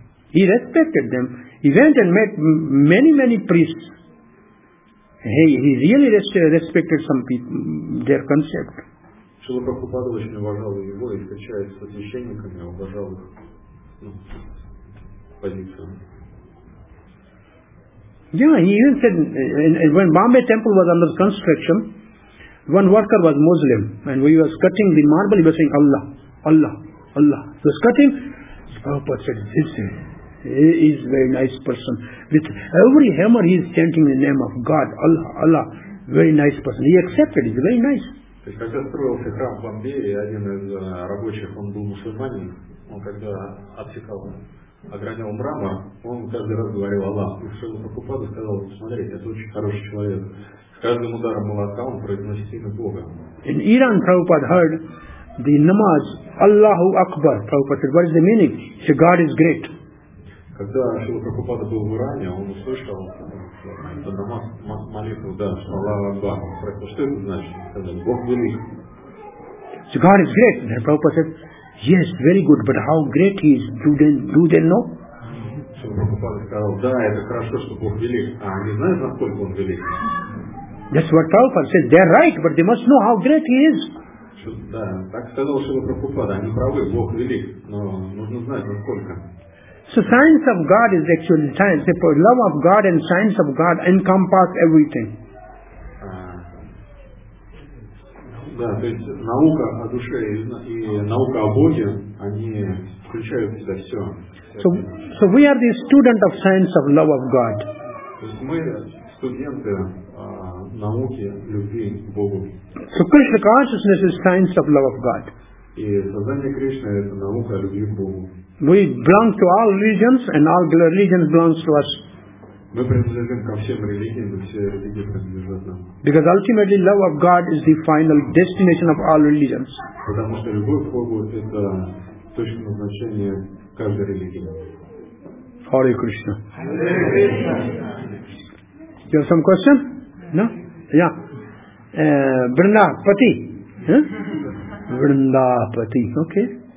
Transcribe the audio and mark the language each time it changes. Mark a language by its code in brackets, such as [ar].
[en] He respected them. He went and met many, many priests. Hey, he really respected some people, their concept. [ru] Шрила Прабхупада очень уважал его и встречаясь со священниками, уважал их позицию. [en] Yeah, he even said when Bombay temple was under construction, one worker was Muslim and he was cutting the marble, he was saying Allah, Allah, Allah. He was cutting, Prabhupada said, this is he is a very nice person. With every hammer he is chanting the name of God, Allah, Allah. Very nice person. He accepted, he is very nice. [ru] Когда строился храм в Бомбее, один из рабочих, он был мусульманин, он когда отсекал, огранял мрамор, он каждый раз говорил Аллах. И Шрила Прабхупада сказал, смотрите, это очень хороший человек. С каждым ударом молотка он произносит имя Бога. [en] In Iran, Prabhupada heard the namaz, Allahu Akbar. Prabhupada said, what is the meaning? He said, God is great. [ru] Когда Шрила Прабхупада был в Иране, он услышал это намаз, молитву, да, Аллах Акбар. Что это значит? Сказали, Бог велик. [en] So God is great. And Prabhupada said, yes, very good, but how great he is, do they know? [ru] чтобы Прабхупада сказал, да, это хорошо, что Бог велик, а они знают, насколько Он велик. [en] That's what Prabhupada says. They're right, but they must know how great He is. [ru] Да, так сказал Шрила Прабхупада. Они правы, Бог велик, но нужно знать, насколько. [en] So science of God is actually science. The love of God and science of God encompass everything. [ru] Да, то есть наука о душе и наука о Боге, они включают в себя все. [en] So we are the student of science of love of God. [ru] То есть мы студенты науки любви к Богу. [en] So Krishna consciousness is science of love of God. [ru] И сознание Кришны это наука о любви к Богу. [en] We belong to all religions, and all religions belong to us. [ru] Мы принадлежим ко всем религиям, и все религии принадлежат нам. [en] Because ultimately, love of God is the final destination of all religions. [ru] Потому что любовь к Богу это точное назначение каждой религии. [en] Hare Krishna. Hare Krishna. You have some question? No? Yeah. Vrindapati. Vrindapati. Okay.